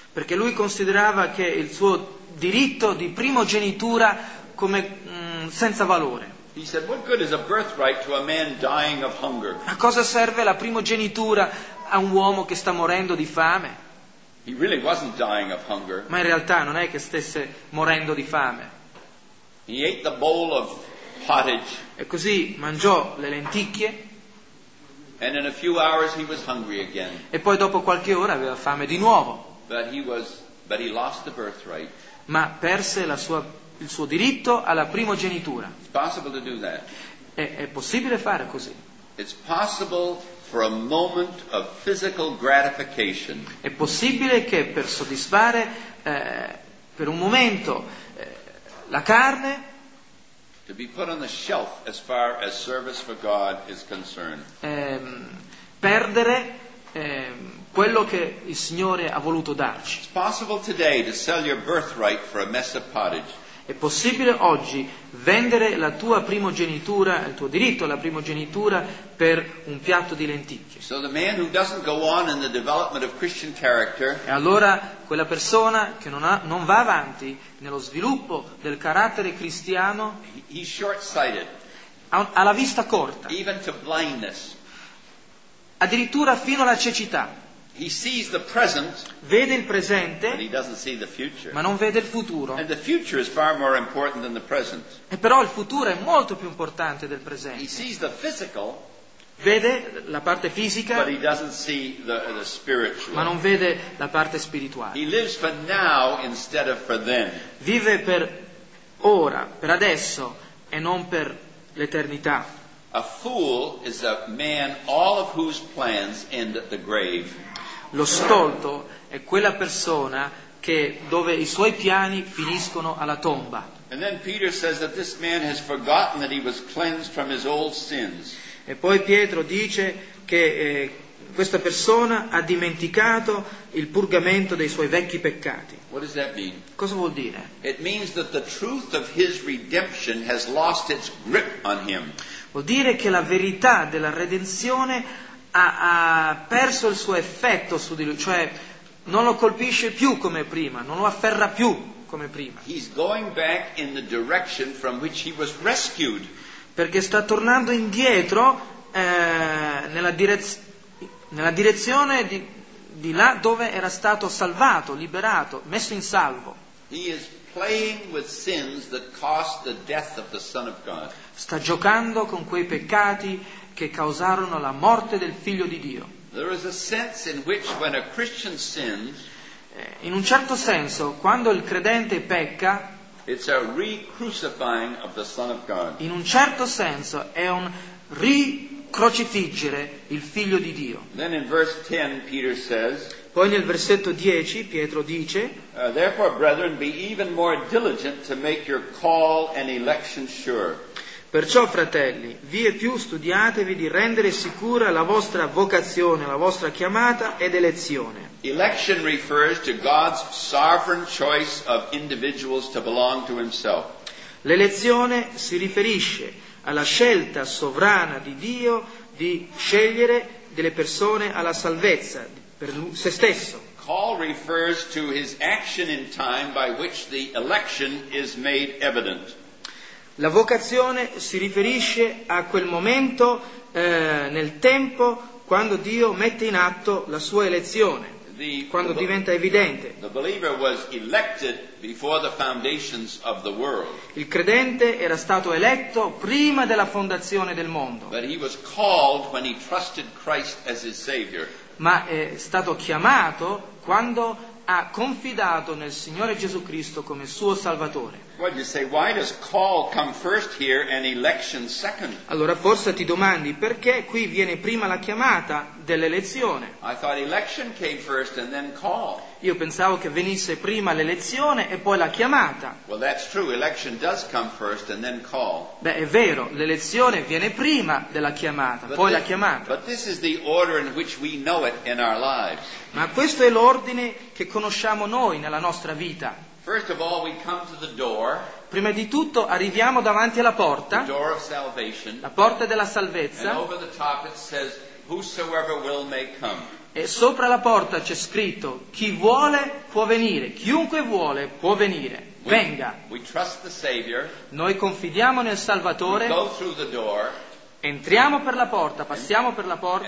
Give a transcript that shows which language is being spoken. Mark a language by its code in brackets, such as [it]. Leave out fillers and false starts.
[it] Perché lui considerava che il suo diritto di primogenitura come senza valore. [en] He said, what good is a birthright to a man dying of hunger? [it] A cosa serve la primogenitura a un uomo che sta morendo di fame? [en] He really wasn't dying of hunger. [it] Ma in realtà non è che stesse morendo di fame. [en] He ate the bowl of pottage. [it] E così mangiò le lenticchie. [en] And in a few hours he was hungry again. [it] E poi dopo qualche ora aveva fame di nuovo. [en] But he lost the birthright. [it] Ma perse il suo diritto alla primogenitura. [en] It's possible to do that. [it] È possibile fare così. [en] It's possible for a moment of physical gratification. [it] È possibile che per soddisfare per un momento la carne, [en] to be put on the shelf as far as service for God is concerned. [it] Perdere quello che il Signore ha voluto darci. [en] It's possible today to sell your birthright for a mess of pottage. [it] È possibile oggi vendere la tua primogenitura, il tuo diritto alla primogenitura, per un piatto di lenticchie. [en] So the man who doesn't go on in the development of Christian character, [it] e allora quella persona che non va avanti nello sviluppo del carattere cristiano, [en] he's short-sighted, [it] ha la vista corta, [en] even to blindness, [it] addirittura fino alla cecità. [en] He sees the present, [it] vede il presente, [en] but he doesn't see the future. [it] Ma non vede il futuro. [en] And the future is far more important than the present. [it] E però il futuro è molto più importante del presente. [en] He sees the physical, [it] vede la parte fisica, [en] but he doesn't see the spiritual. [it] Ma non vede la parte spirituale. [en] He lives for now instead of for then. [it] Vive per ora, per adesso, e non per l'eternità. [en] A fool is a man all of whose plans end at the grave. [it] Lo stolto è quella persona che dove i suoi piani finiscono alla tomba. [en] And then Peter says that this man has forgotten that he was cleansed from his old sins. [it] E poi Pietro dice che questa persona ha dimenticato il purgamento dei suoi vecchi peccati. [en] What does that mean? [it] Cosa vuol dire? [en] It means that the truth of his redemption has lost its grip on him. [it] Vuol dire che la verità della redenzione ha perso il suo effetto su di lui, cioè non lo colpisce più come prima, non lo afferra più come prima. [en] He's going back in the direction from which he was rescued. [it] Perché sta tornando indietro nella direzione di là dove era stato salvato, liberato, messo in salvo. [en] He is playing with sins that cost the death of the Son of God. [it] Sta giocando con quei peccati che causarono la morte del Figlio di Dio. [en] There is a sense in which when a Christian sins, [it] in un certo senso, quando il credente pecca, [en] it's a re-crucifying of the Son of God. [it] In un certo senso è un ricrocifiggere il Figlio di Dio. [en] Then in verse 10 Peter says, [it] poi nel versetto 10 Pietro dice, [en] therefore brethren, be even more diligent to make your call and election sure. [it] Perciò, fratelli, vi e più studiatevi di rendere sicura la vostra vocazione, la vostra chiamata ed elezione. [en] Election refers to God's sovereign choice of individuals to belong to Himself. [it] L'elezione si riferisce alla scelta sovrana di Dio di scegliere delle persone alla salvezza per se stesso. [en] Paul refers to his action in time by which the election is made evident. [it] La vocazione si riferisce a quel momento nel tempo quando Dio mette in atto la sua elezione, quando diventa evidente. [en] The believer was elected before the foundations of the world. [it] Il credente era stato eletto prima della fondazione del mondo. [en] But he was called when he trusted Christ as his Savior. [it] Ma è stato chiamato quando ha confidato nel Signore Gesù Cristo come suo Salvatore. [en] Well, you say, why does call come first here and election second? [it] Allora forse ti domandi perché qui viene prima la chiamata dell'elezione. [en] I thought election came first and then call. [it] Io pensavo che venisse prima l'elezione e poi la chiamata. [en] Well, that's true. Election does come first and then call. [it] Beh, è vero, l'elezione viene prima della chiamata, [en] but [it] poi la chiamata. [en] But this is the order in which we know it in our lives. [it] Ma questo è l'ordine che conosciamo noi nella nostra vita. [en] First of all, we come to the door. [it] Prima di tutto arriviamo davanti alla porta. [en] The door of salvation. [it] La porta della salvezza. [en] And over the top it says, whosoever will may come. [it] E sopra la porta c'è scritto, chi vuole può venire, chiunque vuole può venire, venga. [en] We trust the Savior. [it] Noi confidiamo nel Salvatore. [en] We go through the door. [it] Entriamo per la porta, passiamo per la porta.